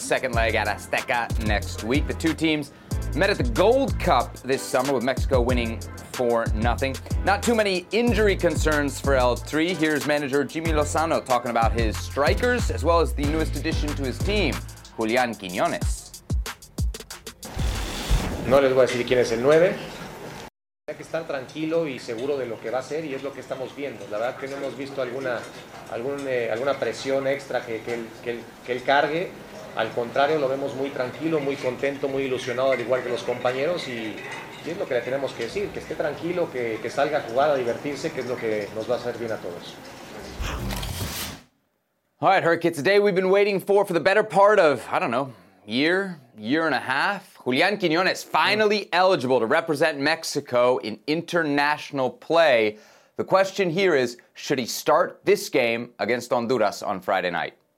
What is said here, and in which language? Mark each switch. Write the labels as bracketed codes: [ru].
[en] Second leg at Azteca next week. The two teams met at the Gold Cup this summer with Mexico winning 4-0. Not too many injury concerns for El Tri. Here's manager Jimmy Lozano talking about his strikers as well as the newest addition to his team, Julián Quiñones. [es] No les voy a decir quién es el 9. Hay que estar tranquilo y seguro de lo que va a hacer y es lo que estamos viendo. La verdad que no hemos visto alguna presión extra que él cargue. Al contrario, lo vemos muy tranquilo, muy contento, muy ilusionado, al igual que los compañeros. Y es lo que le tenemos que decir, que esté tranquilo, que salga a jugar, a divertirse, que es lo que nos va a hacer bien a todos. [en] All right, Herc, it's a day we've been waiting for the better part of, I don't know, year and a half. Julián Quiñones finally eligible to represent Mexico in international play. The question here is, should he start this game against Honduras on Friday night?